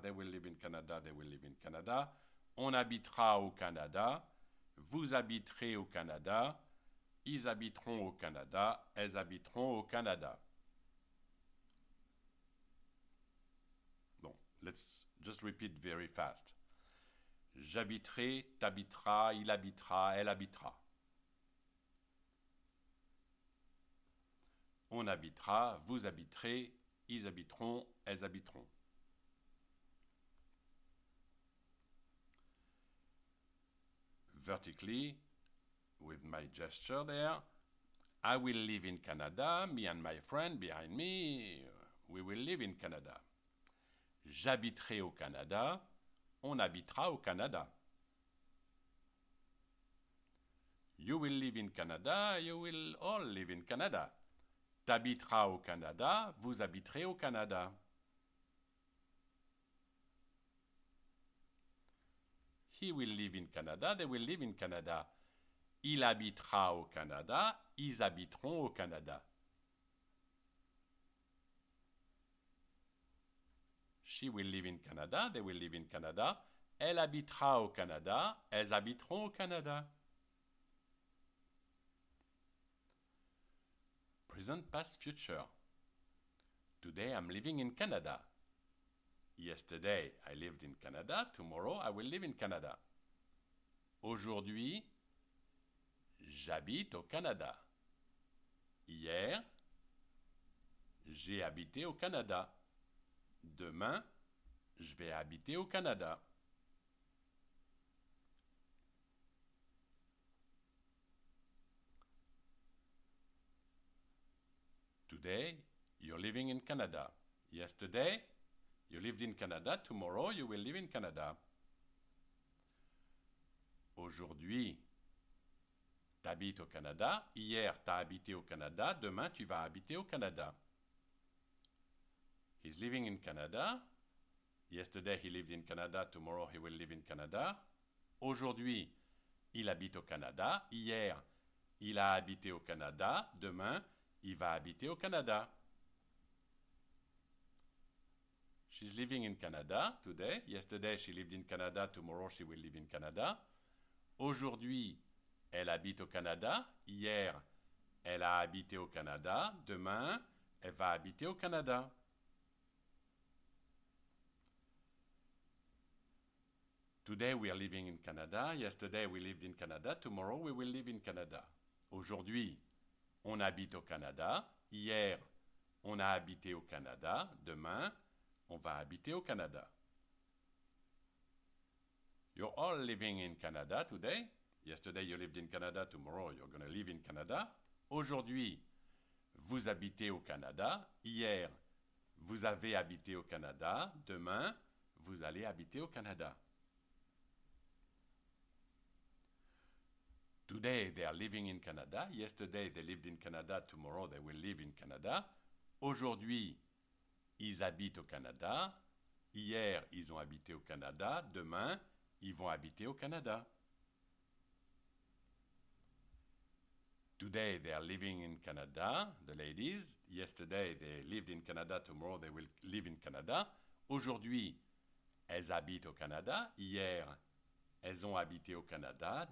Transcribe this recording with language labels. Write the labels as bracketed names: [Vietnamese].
[English] They will live in Canada. They will live in Canada. [French] On habitera au Canada. Vous habiterez au Canada. Ils habiteront au Canada. Elles habiteront au Canada. [English] Bon, let's just repeat very fast. [French] J'habiterai, t'habiteras, il habitera, elle habitera. On habitera, vous habiterez, ils habiteront, elles habiteront. [English] Vertically, with my gesture there, I will live in Canada, me and my friend behind me, we will live in Canada. [French] J'habiterai au Canada, on habitera au Canada. [English] You will live in Canada, you will all live in Canada. [French] T'habiteras au Canada, vous habiterez au Canada. [English] He will live in Canada, they will live in Canada. [French] Il habitera au Canada, ils habiteront au Canada. [English] She will live in Canada, they will live in Canada. [French] Elle habitera au Canada, elles habiteront au Canada. [English] Present, past, future. Today I'm living in Canada. Yesterday I lived in Canada, tomorrow I will live in Canada. [French] Aujourd'hui, j'habite au Canada. Hier, j'ai habité au Canada. Demain, je vais habiter au Canada. [English] Today, you're living in Canada. Yesterday, you lived in Canada. Tomorrow, you will live in Canada. [French] Aujourd'hui, t'habites au Canada. Hier, t'as habité au Canada. Demain, tu vas habiter au Canada. [English] He's living in Canada. Yesterday, he lived in Canada. Tomorrow, he will live in Canada. [French] Aujourd'hui, il habite au Canada. Hier, il a habité au Canada. Demain, il va habiter au Canada. [English] She's living in Canada today. Yesterday, she lived in Canada. Tomorrow, she will live in Canada. [French] Aujourd'hui, elle habite au Canada. Hier, elle a habité au Canada. Demain, elle va habiter au Canada. [English] Today, we are living in Canada. Yesterday, we lived in Canada. Tomorrow, we will live in Canada. [French] Aujourd'hui, on habite au Canada. Hier, on a habité au Canada. Demain, on va habiter au Canada. [English] You're all living in Canada today. Yesterday, you lived in Canada. Tomorrow, you're going to live in Canada. [French] Aujourd'hui, vous habitez au Canada. Hier, vous avez habité au Canada. Demain, vous allez habiter au Canada. [English] Today, they are living in Canada. Yesterday, they lived in Canada. Tomorrow, they will live in Canada. [French] Aujourd'hui, ils habitent au Canada. Hier, ils ont habité au Canada. Demain, ils vont habiter au Canada. [English] Today, they are living in Canada, the ladies. Yesterday, they lived in Canada. Tomorrow, they will live in Canada. [French] Aujourd'hui, elles habitent au Canada. Hier, elles ont habité au Canada.